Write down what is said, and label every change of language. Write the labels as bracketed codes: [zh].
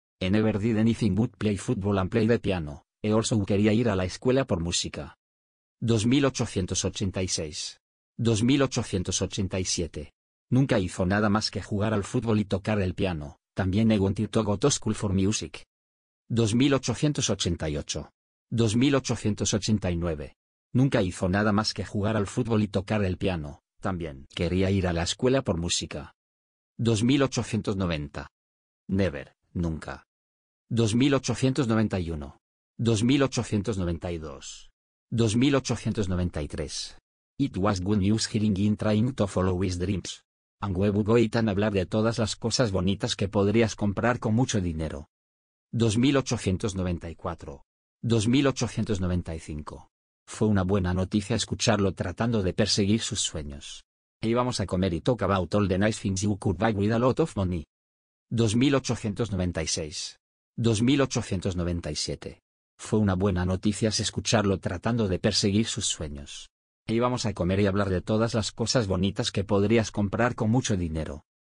[en] I never did anything but play football and play the piano. I also [es] quería ir a la escuela por música. 2886. 2887. Nunca hizo nada más que jugar al fútbol y tocar el piano. También [en] he wanted to go to school for music. 2888. [es] 2889. Nunca hizo nada más que jugar al fútbol y tocar el piano. También quería ir a la escuela por música. [en] 2890. Never, nunca. 2891. 2892. 2893. It was good news hearing in trying to follow his dreams. And we would go eat and [es] hablar de todas las cosas bonitas que podrías comprar con mucho dinero. [en] 2894. 2895. [es] Fue una buena noticia escucharlo tratando de perseguir sus sueños. Íbamos a comer y [en] talk about all the nice things you could buy with a lot of money. 2896. 2897. [es] Fue una buena noticia escucharlo tratando de perseguir sus sueños. Íbamos a comer y hablar de todas las cosas bonitas que podrías comprar con mucho dinero.